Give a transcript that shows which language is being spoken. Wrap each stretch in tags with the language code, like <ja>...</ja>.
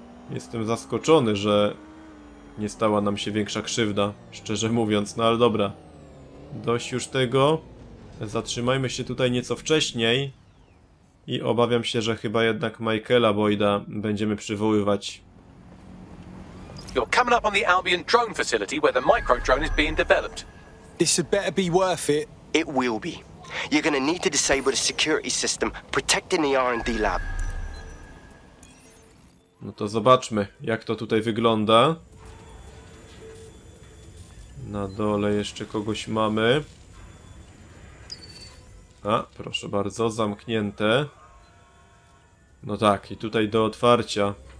<pl>Jestem zaskoczony, że nie stała nam się większa krzywda, szczerze mówiąc, no ale dobra. Dość już tego. Zatrzymajmy się tutaj nieco wcześniej. I obawiam się, że chyba jednak Michaela Boyda będziemy przywoływać.</pl> <en>You're coming up on the Albion drone facility where the micro drone is being developed. This had better be worth it. It will be. You're gonna need to disable the security system protecting the R&D lab.</en> <pl>No to zobaczmy, jak to tutaj wygląda. Na dole jeszcze kogoś mamy. A, proszę bardzo, zamknięte. No tak, i tutaj do otwarcia.</pl>